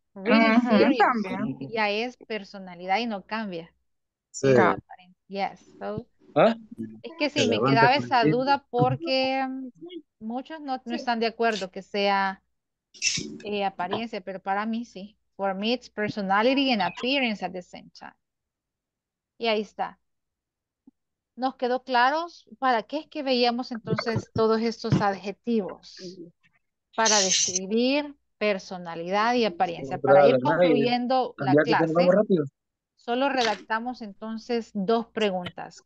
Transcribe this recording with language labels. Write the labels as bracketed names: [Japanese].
[English] Really serious. [Spanish] Ya es personalidad y no cambia. Sí. [English] Yes. So, ¿ah? [Spanish] Es que sí, me quedaba esa duda porque muchos no están de acuerdo que sea apariencia, pero para mí sí. [English] For me it's personality and appearance at the same time. [Spanish] Y ahí está. ¿Nos quedó claro para qué es que veíamos entonces todos estos adjetivos? Para describir personalidad y apariencia. Para ir concluyendo la clase, solo redactamos entonces dos preguntas.